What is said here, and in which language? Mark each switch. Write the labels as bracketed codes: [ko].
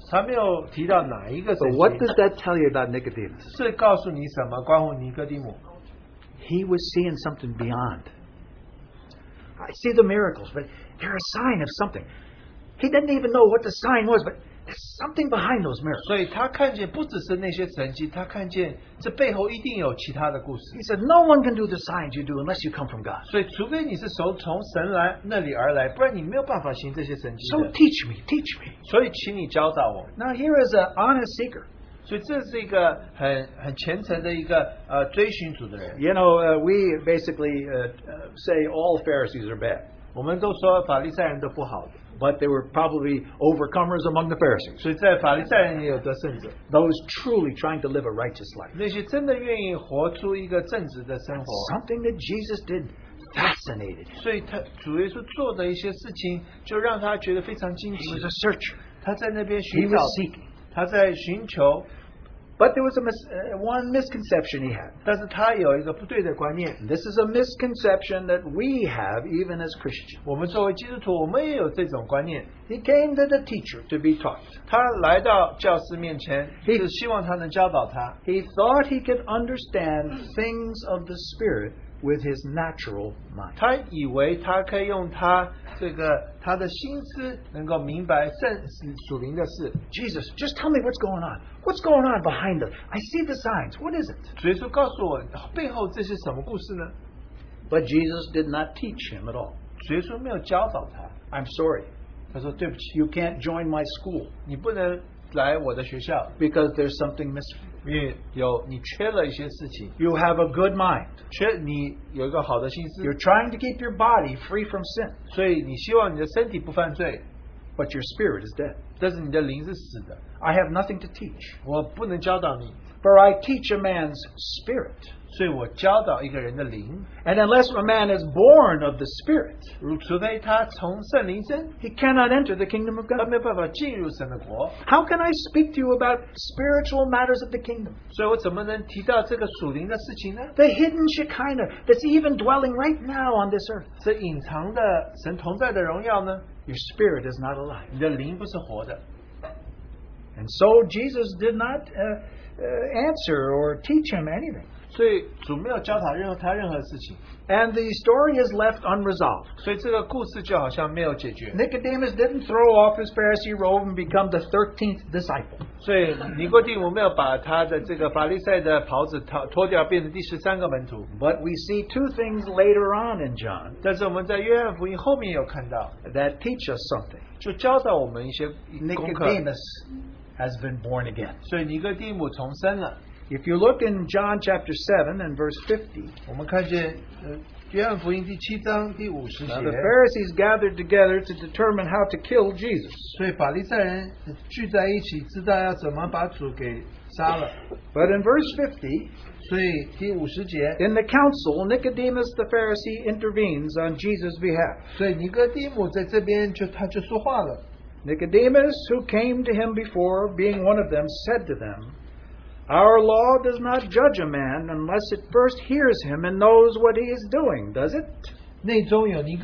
[en] But what does that tell you about Nicodemus? [zh] 是告诉你什么, 关乎尼哥底母? [en] He was seeing something beyond. I see the miracles, but they're a sign of something. He didn't even know what the sign was, but there's something behind those miracles. [zh] 所以他看见不只是那些神迹, 他看见这背后一定有其他的故事. [en] He said, no one can do the signs you do unless you come from God. [zh] 所以除非你是从神来那里而来, 不然你没有办法行这些神迹的。 [en] So teach me, teach me. [zh] 所以请你教导我。 [en] Now here is an honest seeker. [zh] 所以这是一个很虔诚的一个, 追寻主的人。 [en] You know, we basically say all Pharisees are bad. [zh] 我们都说法利赛人都不好的。 [en] But they were probably overcomers among the Pharisees. Those truly trying to live a righteous life. And something that Jesus did fascinated him. He was a searcher. He was seeking. [zh] 他在寻求, [en] But there was a one misconception he had. [zh] 但是他有一个不对的观念. [en] This is a misconception that we have even as Christians. [zh] 我们作为基督徒，我们也有这种观念. [en] He came to the teacher to be taught. [zh] 他来到教师面前, [en] he thought he could understand things of the Spirit with his natural mind. [zh] 他以为他可以用他这个他的心思能够明白属灵的事. [en] Jesus, just tell me what's going on. What's going on behind it? I see the signs. What is it? [zh] 主耶稣告诉我背后这是什么故事呢? [en] But Jesus did not teach him at all. [zh] 主耶稣没有教导他. [en] I'm sorry. [zh] 他说对不起. [en] You can't join my school. [zh] 你不能来我的学校. [en] Because there's something missing. [zh] 你缺了一些事情, [en] you have a good mind. [zh] 缺你有一个好的心思, [en] you're trying to keep your body free from sin. [zh] 所以你希望你的身体不犯罪, [en] but your spirit is dead. [zh] 但是你的灵是死的, [en] I have nothing to teach. [zh] 我不能教导你, [en] for I teach a man's spirit. [zh] 所以我教导一个人的灵, [en] and unless a man is born of the spirit, [zh] 除非他从圣灵生, [en] he cannot enter the kingdom of God. [zh] 他没有办法进入神的国. [en] How can I speak to you about spiritual matters of the kingdom? [zh] 所以我怎么能提到这个属灵的事情呢? [en] The hidden Shekinah that's even dwelling right now on this earth. [zh] 这隐藏的神同在的荣耀呢? [en] Your spirit is not alive. [zh] 你的灵不是活的. [en] And so Jesus did not answer or teach him anything. [zh] 所以主没有教他任何事情. [en] And the story is left unresolved. [zh] 所以这个故事就好像没有解决. [en] Nicodemus didn't throw off his Pharisee robe and become the 13th disciple. [zh] 所以尼哥底母没有把他的这个法利赛的袍子脱掉，变成第十三个门徒. [en] But we see two things later on in John. [zh] 但是我们在约翰福音后面有看到. [en] That teach us something. [zh] 就教导我们一些功课. [en] Nicodemus has been born again. [zh] 所以尼哥底母重生了. [en] If you look in John chapter 7 and verse 50, [zh] 我们看见, 约翰福音第七章第五十节, [en] now the Pharisees gathered together to determine how to kill Jesus. [zh] 所以法利赛人聚在一起, [en] but in verse 50, [zh] 所以第五十节, [en] in the council, Nicodemus the Pharisee intervenes on Jesus' behalf. [zh] 所以尼哥底母在这边就他就说话了. [en] Nicodemus, who came to him before, being one of them, said to them, our law does not judge a man unless it first hears him and knows what he is doing, does it?